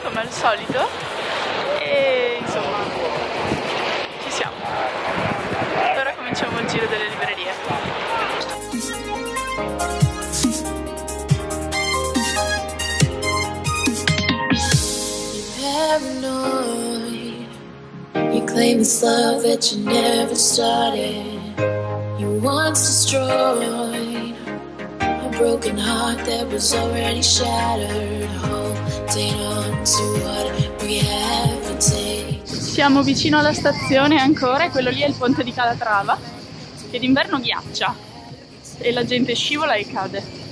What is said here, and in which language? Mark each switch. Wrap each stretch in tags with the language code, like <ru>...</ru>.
<it>Solito e insomma ci siamo. Ora cominciamo il giro delle librerie.</it> <en>You claim this love that you never started. You once destroyed a broken heart that was already shattered.</en> <it>Siamo vicino alla stazione ancora, e quello lì è il ponte di Calatrava, che d'inverno ghiaccia e la gente scivola e cade.</it>